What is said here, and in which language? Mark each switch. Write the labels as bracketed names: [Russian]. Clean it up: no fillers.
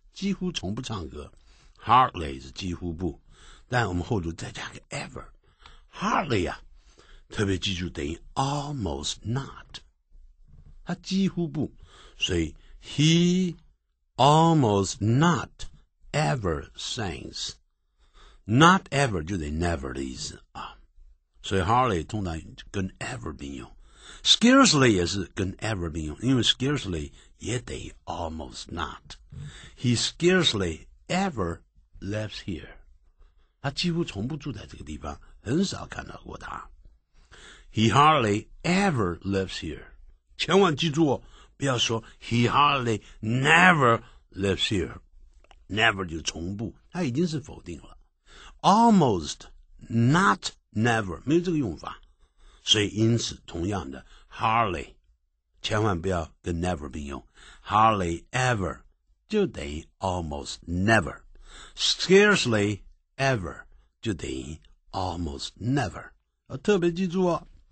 [Chinese] 几乎从不唱歌 ，Hardly 是几乎不，但我们后头再加个 ever，Hardly 啊，特别记住等于 almost not， 他几乎不，所以 [English] he almost not ever sings， [Chinese] not ever 就等于 never 的意思啊，所以 hardly 通常跟 ever 并用。 Scarcely 也是跟 ever 并用，因为 scarcely 也得 almost not。 [English] He scarcely ever lives here。 [Chinese] 他几乎从不住在这个地方，很少看到过他。 [English] He hardly ever lives here。 [Chinese] 千万记住，不要说 [English] he hardly never lives here。 [Chinese] Never 就从不，他已经是否定了。Almost, not, never 没有这个用法。所以因此同样的 hardly 千万不要跟 never 并用 hardly ever 就等于 almost never scarcely ever 就等于 almost never 要特别记住哦